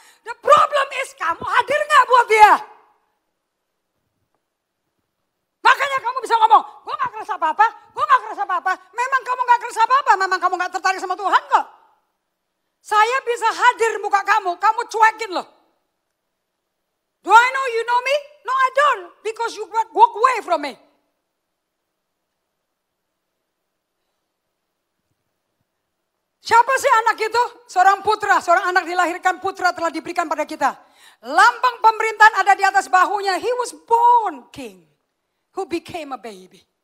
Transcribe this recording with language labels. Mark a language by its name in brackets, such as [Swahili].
[Indonesian] The problem is, kamu hadir gak buat dia? Makanya kamu bisa ngomong, gue gak kerasa apa-apa, gue gak kerasa apa-apa. Memang kamu gak kerasa apa-apa, memang kamu gak tertarik sama Tuhan kok. Saya bisa hadir muka kamu, kamu cuekin loh. [English] Do I know you know me? No, I don't, because you walk away from me. [Indonesian] Siapa sih anak itu? Seorang putra, seorang anak dilahirkan, putra telah diberikan pada kita. Lambang pemerintahan ada di atas bahunya. [English] He was born king, who became a baby.